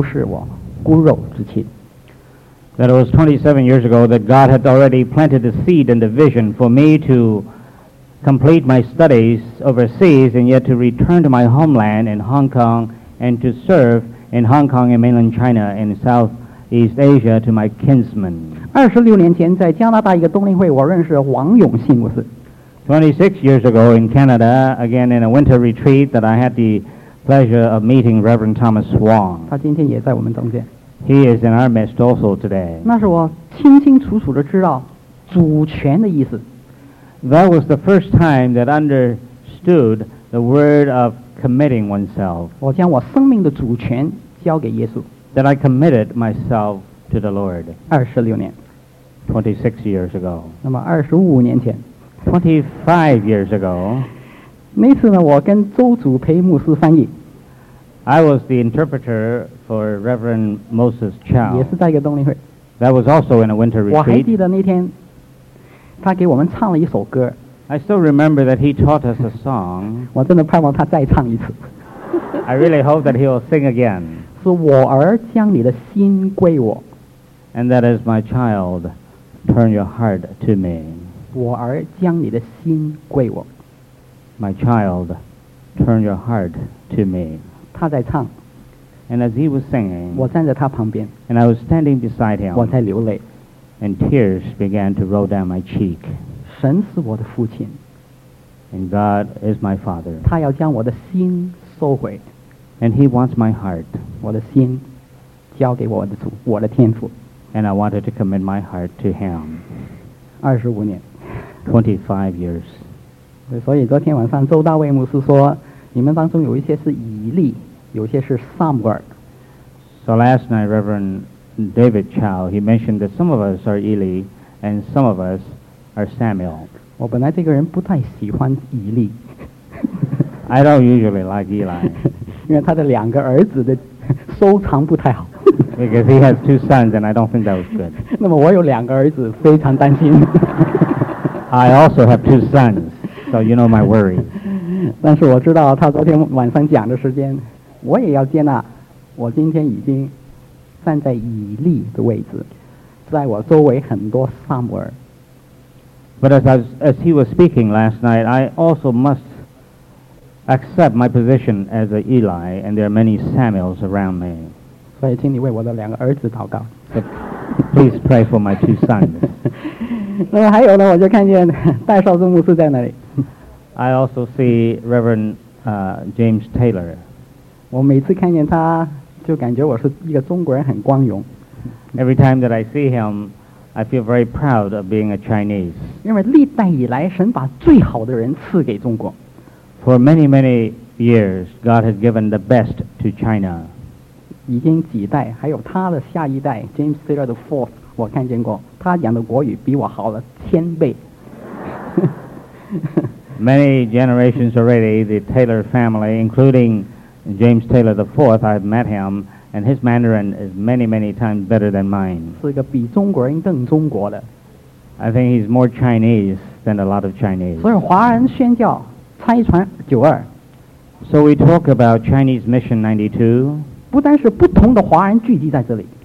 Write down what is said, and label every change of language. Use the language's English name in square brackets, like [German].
[Chinese] 所以27年前神已经静静地在我心中放下一个意念，我念完书，我回去在香港、在中国、在东南亚服侍我骨肉之亲。 [English] That was 27 years ago that God had already planted the seed and the vision for me to complete my studies overseas and yet to return to my homeland in Hong Kong and to serve in Hong Kong and mainland China and Southeast Asia to my kinsmen. [Chinese] 26年前在加拿大一个冬令会，我认识王永信牧师。 [English] 26 years ago in Canada, again in a winter retreat, that I had the pleasure of meeting Reverend Thomas Wong. [Chinese] 他今天也在我们中间。 [English] He is in our midst also today. [Chinese] 那是我清清楚楚地知道主权的意思。 [English] That was the first time that understood The word of committing oneself. [Chinese] 我将我生命的主权交给耶稣。 [English] That I committed myself to the Lord. [Chinese] 26年。 [English] 26 years ago. [Chinese] 那么25年前。 [English] 25 years ago. [Chinese] 那次呢，我跟周主培牧师翻译。 [English] I was the interpreter for Reverend Moses Chow. [Chinese] 也是在一个冬令会。 [English] That was also in a winter retreat. [Chinese] 我还记得那天，他给我们唱了一首歌。 [English] I still remember that he taught us a song. [Chinese] 我真的盼望他再唱一次。 [English] I really hope that he will sing again. [Chinese] 是我儿将你的心归我。 [English] And that is my child, turn your heart to me. [Chinese] 我儿将你的心归我。 [English] My child, turn your heart to me. [Chinese] 他在唱。 [English] And as he was singing, [Chinese] 我站在他旁边。 [English] And I was standing beside him. [Chinese] 我在流泪。 [English] And tears began to roll down my cheek. [Chinese] 神是我的父亲。 [English] And God is my father. [Chinese] 他要将我的心收回。 [English] And he wants my heart. [Chinese] 我的心交给我的主，我的天父。 [English] And I wanted to commit my heart to him. [Chinese] 25年。 [English] 25 years. [Chinese] 所以昨天晚上周大卫牧师说，你们当中有一些是以利，有些是撒母耳。 [English] So last night, Reverend David Chow, he mentioned that some of us are Eli and some of us Samuel. [Chinese] 我本来这个人不太喜欢以利。 [English] I don't usually like Eli. [Chinese] 因为他的两个儿子的收藏不太好。 [English] Because he has two sons and I don't think that was good. [Chinese] 那么我有两个儿子非常担心。 [English] I also have two sons, so you know my worry. [Chinese] 但是我知道他昨天晚上讲的时间，我也要接纳我今天已经站在以利的位置，在我周围很多撒母耳。 [English] But as he was speaking last night, I also must accept my position as an Eli, and there are many Samuels around me. [Chinese] 所以请你为我的两个儿子祷告。 [English] So, please pray for my two sons. [Chinese] 那么还有呢，我就看见戴少宗牧师在那里。 [English] I also see Reverend James Taylor. [Chinese] 我每次看见他，就感觉我是一个中国人，很光荣。 [English] Every time that I see him,I feel very proud of being a Chinese. [Chinese] 因为历代以来，神把最好的人赐给中国。 [English] For many, many years, God has given the best to China. [Chinese] 已经几代，还有他的下一代 James Taylor the Fourth， 我看见过，他讲的国语比我好了千倍。 [English] Many generations already, the Taylor family, including James Taylor the Fourth, I've met him. And his Mandarin is many, many times better than mine. [Chinese] 是一个比中国人更中国的。 [English] I think he's more Chinese than a lot of Chinese. [Chinese] 所以华人宣教拆船九二。 [English] So we talk about Chinese Mission 92. [Chinese] 不单是不同的华人聚集在这里。